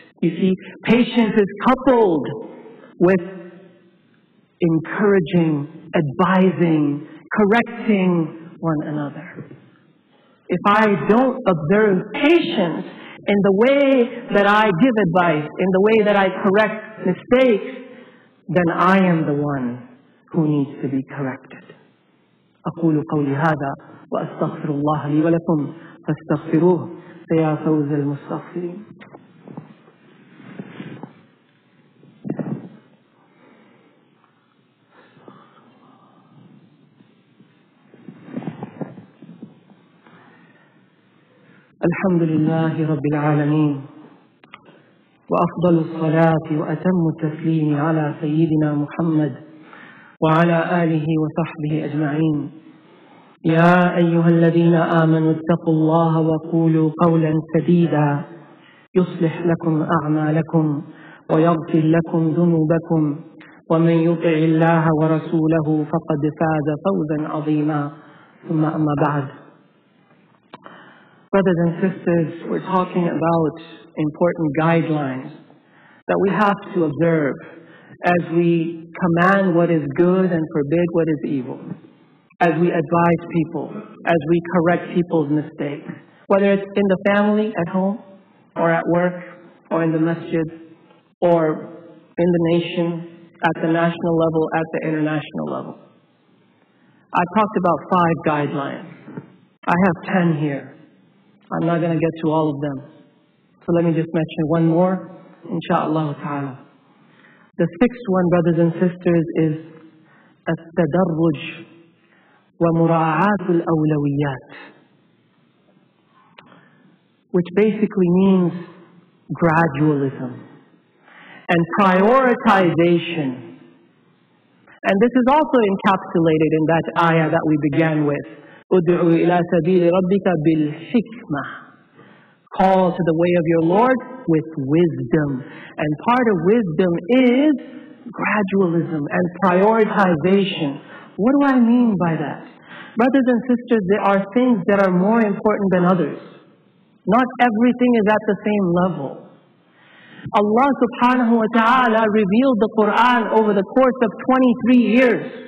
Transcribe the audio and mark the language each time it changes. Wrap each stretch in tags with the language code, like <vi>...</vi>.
<en>You see, patience is coupled with encouraging, advising, correcting one another. If I don't observe patience in the way that I give advice, in the way that I correct mistakes, then I am the one who needs to be corrected.</en> <ar>أقول قولي هذا وأستغفر الله لي ولكم فاستغفروه فيا فوز المستغفرين. الحمد لله رب العالمين وأفضل الصلاة وأتم التسليم على سيدنا محمد وعلى آله وصحبه أجمعين. يا أيها الذين آمنوا اتقوا الله وقولوا قولا سديدا يصلح لكم أعمالكم ويغفر لكم ذنوبكم ومن يطع الله ورسوله فقد فاز فوزا عظيما. ثم أما بعد.</ar> <en>Brothers and sisters, we're talking about important guidelines that we have to observe as we command what is good and forbid what is evil, as we advise people, as we correct people's mistakes, whether it's in the family at home or at work or in the masjid or in the nation at the national level, at the international level. I talked about 5 guidelines. I have 10 here. I'm not going to get to all of them. So let me just mention one more, insha'Allah ta'ala. The 6th one, brothers and sisters, is</en> <ar>التدرج ومراعاة الأولويات,</ar> <en>which basically means gradualism and prioritization. And this is also encapsulated in that ayah that we began with.</en> <ar>ادعو إلى سبيل ربك بالحكمة.</ar> <en>Call to the way of your Lord with wisdom. And part of wisdom is gradualism and prioritization. What do I mean by that? Brothers and sisters, there are things that are more important than others. Not everything is at the same level. Allah subhanahu wa ta'ala revealed the Quran over the course of 23 years.</en>